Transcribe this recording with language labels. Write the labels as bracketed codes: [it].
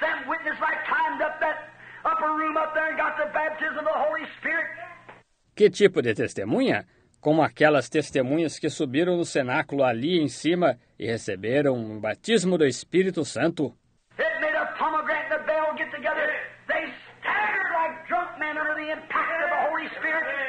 [en] That witness I climbed up that upper room up there and got the baptism of the Holy Spirit. [pt] Que tipo de testemunha? Como aquelas testemunhas que subiram no cenáculo ali em cima e receberam o batismo do Espírito Santo. [en] It made a pomegranate and a bell get together. They staggered like drunk men under the impact of the Holy Spirit.